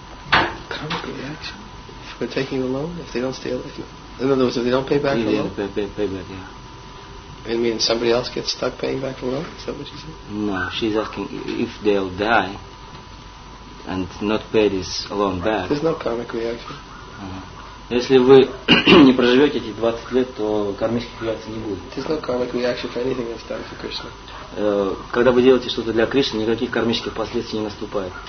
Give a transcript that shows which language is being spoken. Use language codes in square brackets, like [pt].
[en] Karmic reaction? For taking a loan? If they don't stay alive? In other words, if they don't pay back the loan? Pay back, yeah. It means somebody else gets stuck paying back the loan? Is that what she said? No, she's asking if they'll die and not pay this loan back. There's no karmic reaction. [ru] Если вы не проживете эти 20 лет, то кармических реакций не будет. [en] There's no karmic reaction for anything that's done for Krishna. [ru] Когда вы делаете что-то для Кришны, никаких кармических последствий не наступает.